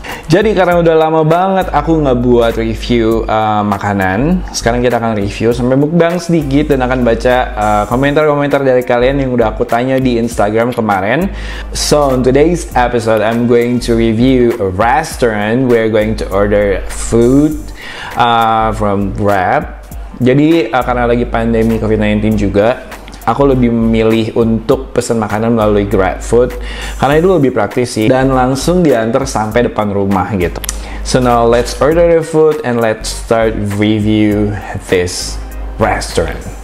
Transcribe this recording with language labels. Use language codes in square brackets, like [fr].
[id] Jadi karena udah lama banget aku nggak buat review makanan, sekarang kita akan review sampai mukbang sedikit dan akan baca komentar-komentar dari kalian yang udah aku tanya di Instagram kemarin. [en] So in today's episode I'm going to review a restaurant. We're going to order food from Grab. [id] Jadi karena lagi pandemi COVID-19 juga, aku lebih memilih untuk pesan makanan melalui GrabFood karena itu lebih praktis sih dan langsung diantar sampai depan rumah gitu. [en] So now let's order the food and let's start review this restaurant.